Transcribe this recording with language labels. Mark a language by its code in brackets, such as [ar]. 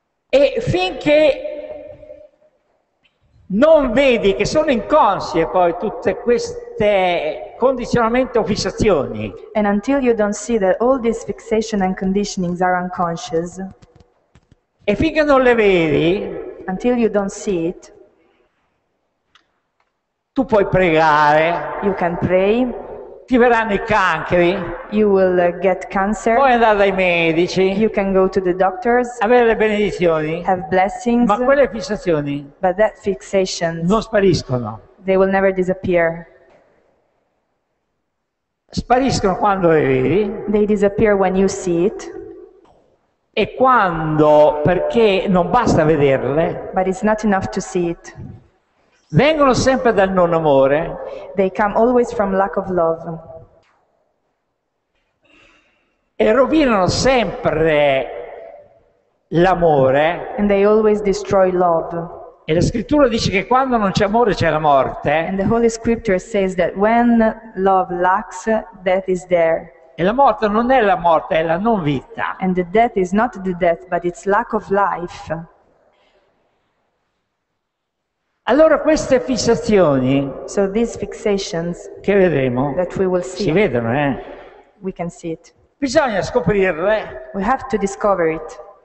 [it] E finché non vedi che sono inconsce poi tutte queste condizionamenti o fissazioni. [en] And until you don't see that all these fixation and conditionings are unconscious. [it] E finché non le vedi, [en] until you don't see it, [it] Tu puoi pregare. [en] You can pray. [it] Ti verranno i cancri. [en] You will get cancer. [it] Puoi andare dai medici. [en] You can go to the doctors. [it] Avere le benedizioni. [en] Have blessings. [it] Ma quelle fissazioni. [en] But that fixations. [it] Non spariscono. [en] They will never disappear. [it] Spariscono quando le vedi. [en] They disappear when you see it. [it] E quando, perché non basta vederle. [en] But it's not enough to see it. [it] Vengono sempre dal non amore. [en] They come always from lack of love. [it] E rovinano sempre l'amore. [en] And they always destroy love. [it] E la scrittura dice che quando non c'è amore c'è la morte. [en] And the Holy Scripture says that when love lacks, death is there. [it] E la morte non è la morte, è la non vita. [en] And the death is not the death, but it's lack of life. [it] Allora queste fissazioni, [en] so these fixations, [it] che vedremo, [en] that we will see, [it] si vedono, eh? [en] We can see it. [it] Bisogna scoprirle. [en] We have to discover it.